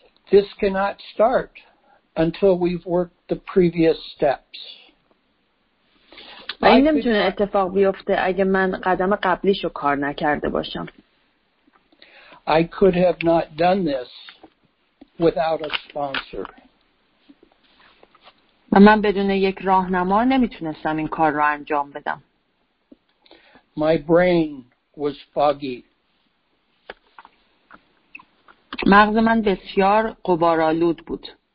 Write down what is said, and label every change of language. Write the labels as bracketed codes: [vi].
[en] This cannot start until we've worked the previous steps. [fa] و این نمیتونه اتفاق بیفته اگه من قدم قبلیشو کار نکرده باشم. [en] I could have not done this without a sponsor. [fa] و من بدون یک راهنما نمیتونستم این کار رو انجام بدم. [en] My brain was foggy. [fa] مغز من بسیار غبارآلود بود.